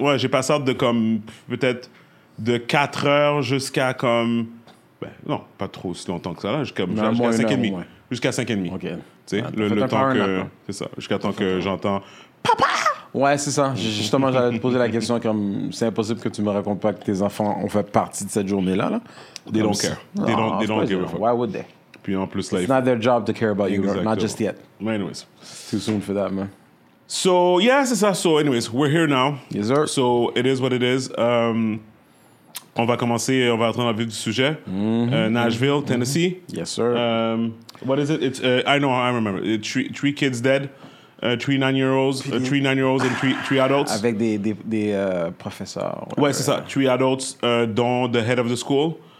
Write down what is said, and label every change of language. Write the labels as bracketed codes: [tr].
[fr] Ouais, j'ai passé out de comme peut-être de 4 heures jusqu'à comme ben, non, pas trop si longtemps que ça là, jusqu'à 5h30. Jusqu'à 5h30. OK. Tu sais, le temps que... [en] Nap, [fr] c'est ça. Jusqu'à temps que j'entends... Papa! Ouais, c'est ça. Justement, j'allais te poser la question comme c'est impossible que tu me racontes pas que tes enfants ont fait partie de cette journée-là. Là. [en] They don't care. They don't give a fuck. Why would they? [fr] Puis en plus, [en] it's not their job to care about you, exactly. Not just yet. Anyways. Too soon for that, man. So, yeah, [fr] c'est ça. [en] So, anyways, we're here now. Yes, sir. So, it is what it is. [fr] On va commencer, on va entrer dans le vif du sujet. [en] Nashville, Tennessee. Mm-hmm. Yes, sir. What is it? It's I know, I remember. Three kids dead, three nine-year-olds and three adults. [fr] Avec des professeurs. Whatever. Ouais, c'est ça. [en] Three adults, dont the head of the school.